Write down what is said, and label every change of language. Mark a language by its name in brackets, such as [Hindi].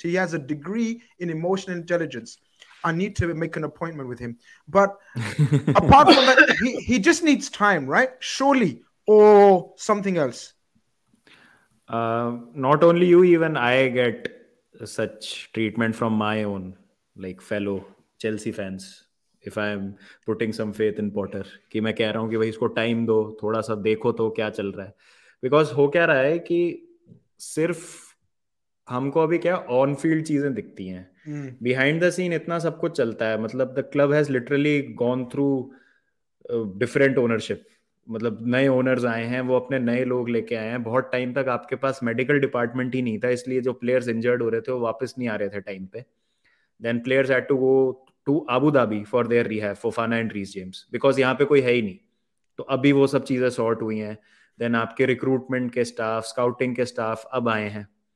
[English] He has a degree in emotional intelligence. I need to make an appointment with him. But apart from that, he just needs time, right? Surely. Or something else. Not only you, even I get such treatment from my own, like fellow Chelsea fans. If I am putting some faith in Potter, [Hindi] कि मैं कह रहा हूँ कि भाई इसको time दो, थोड़ा सा देखो तो क्या चल रहा है. Because हो क्या रहा है कि सिर्फ हमको अभी क्या on field चीजें दिखती हैं. Behind the scene इतना सब कुछ चलता है. [English] मतलब the club has literally gone through different ownership. [Hindi] मतलब नए ओनर्स आए हैं, वो अपने नए लोग लेके आए हैं. बहुत टाइम तक आपके पास मेडिकल डिपार्टमेंट ही नहीं था, इसलिए जो प्लेयर्स इंजर्ड हो रहे थे वो वापस नहीं आ रहे थे टाइम पे. [English] then players had to go to Abu Dhabi for their rehab, Fofana and Reece James, [Hindi] because यहाँ पे कोई है ही नहीं. तो अभी वो सब चीज़ें सॉर्ट हुई हैं. देन आपके रिक्रूटमेंट के स्टाफ, स्काउटिंग के स्टाफ अब आए हैं.